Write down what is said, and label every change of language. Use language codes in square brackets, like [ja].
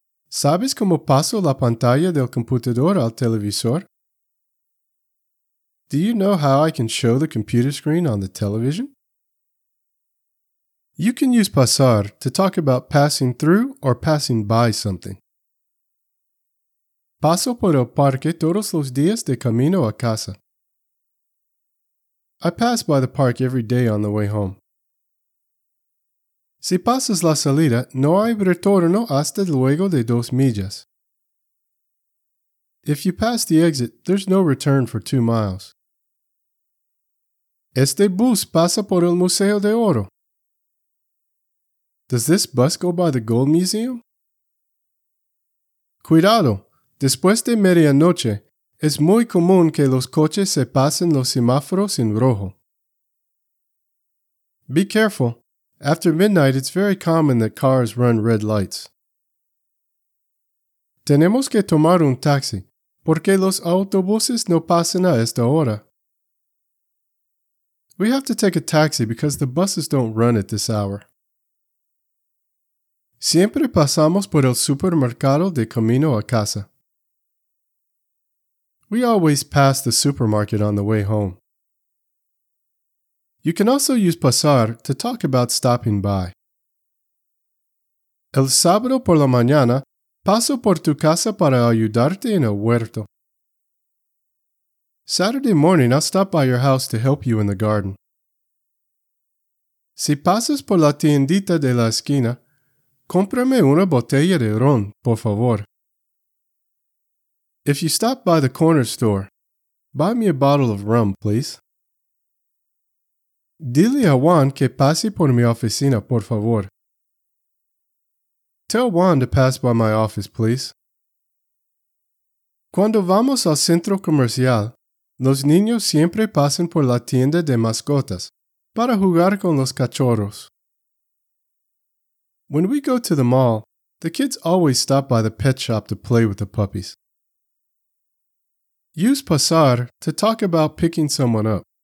[es] ¿Sabes cómo paso la pantalla del computador al televisor? [en] Do you know how I can show the computer screen on the television? You can use pasar to talk about passing through or passing by something. [es] Paso por el parque todos los días de camino a casa. [en] I pass by the park every day on the way home. [es] Si pasas la salida, no hay retorno hasta luego de 2 millas. [en] If you pass the exit, there's no return for 2 miles. [es] Este bus pasa por el Museo de Oro. [en] Does this bus go by the Gold Museum? [es] Cuidado, después de medianoche, es muy común que los coches se pasen los semáforos en rojo. [en] Be careful. After midnight, it's very common that cars run red lights. [es] Tenemos que tomar un taxi, porque los autobuses no pasan a esta hora. [en] We have to take a taxi because the buses don't run at this hour. [es] Siempre pasamos por el supermercado de camino a casa. [en] We always pass the supermarket on the way home. You can also use pasar to talk about stopping by. [es] El sábado por la mañana, paso por tu casa para ayudarte en el huerto. [en] Saturday morning, I'll stop by your house to help you in the garden. [es] Si pasas por la tiendita de la esquina, cómprame una botella de ron, por favor. [en] If you stop by the corner store, buy me a bottle of rum, please. [es] Dile a Juan que pase por mi oficina, por favor. [en] Tell Juan to pass by my office, please. [es] Cuando vamos al centro comercial, los niños siempre pasan por la tienda de mascotas para jugar con los cachorros. [en] When we go to the mall, the kids always stop by the pet shop to play with the puppies. Use pasar to talk about picking someone up.